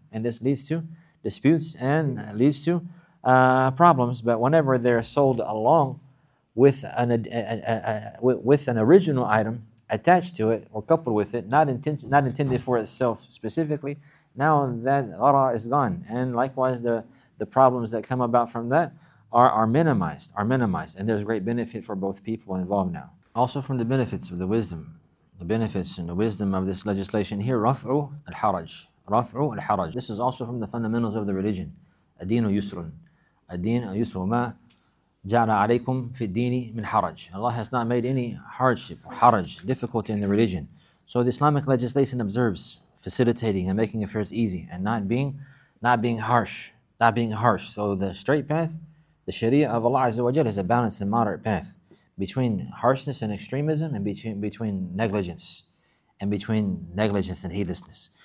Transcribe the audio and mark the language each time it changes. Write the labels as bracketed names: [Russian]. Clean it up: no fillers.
[English] And this leads to disputes and leads to problems, but whenever they're sold along with an original item attached to it or coupled with it, not intended for itself specifically, now that ghara is gone, and likewise the problems that come about from that are minimized, and there's great benefit for both people involved. Now, also from the benefits of the wisdom of this legislation here, raf'u al-haraj. This is also from the fundamentals of the religion, adinu yusrun. [Arabic] الدين يسر ما جعل عليكم في الدين من حرج. [English] Allah has not made any hardship or haraj, difficulty in the religion. So the Islamic legislation observes facilitating and making affairs easy and not being harsh. So the straight path, the Sharia of Allah Azza wa Jalla, is a balanced and moderate path between harshness and extremism, and between negligence and heedlessness.